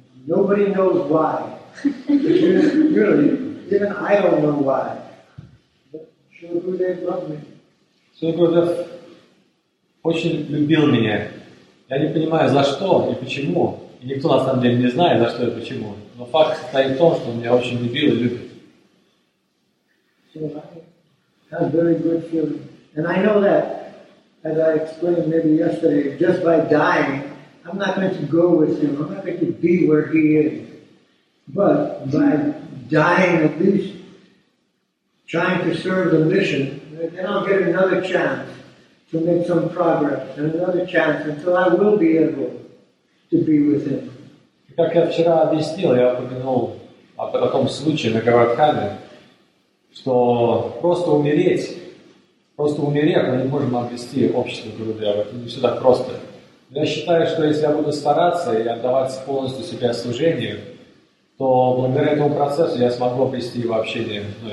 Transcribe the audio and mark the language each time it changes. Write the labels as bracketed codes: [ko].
[en] Nobody knows why. Really, even I don't know why. But Shri Gurudev loved me. [ru] Shri Gurudev очень любил меня. Я не понимаю, за что и почему. И никто на самом деле не знает, за что и почему. Но факт состоит в том, что он меня очень любил и любит. [en] So I have very good feeling. And I know that as I explained maybe yesterday, just by dying, I'm not going to go with him. I'm not going to be where he is. But by dying, at least trying to serve the mission, then I'll get another chance to make some progress and another chance until I will be able to be with him. [ru] Как я вчера объяснил, я упомянул о том случае на Гавардхане, что просто умереть, мы не можем обрести общество Гурудева. Это не все так просто. Я считаю, что если я буду стараться и отдавать полностью себя служению, то благодаря этому процессу я смогу обрести его общение